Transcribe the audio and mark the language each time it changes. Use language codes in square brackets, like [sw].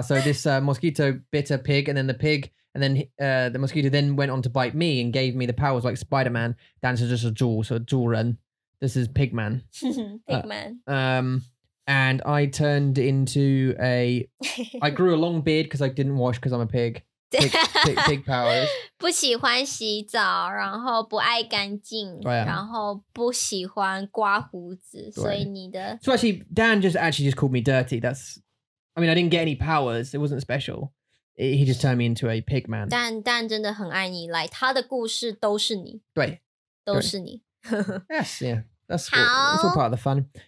[en] So this mosquito bit a pig, and then the pig, and then the mosquito then went on to bite me and gave me the powers like Spider-Man. [zh] 但是这是猪, [en] so 猪人.This is Pigman. Pigman. And I turned into a... I grew a long beard because I didn't wash because I'm a pig. Pig powers. [zh] 不喜欢洗澡，然后不爱干净，然后不喜欢刮胡子， [en] yeah. [zh] 所以你的 [en] So actually, Dan just called me dirty. That's, I mean, I didn't get any powers. It wasn't special. He just turned me into a pig man. [zh] Dan 真的很爱你， like, 他的故事都是你，对，都是你。 [en] Yes, yeah, that's all part of the fun.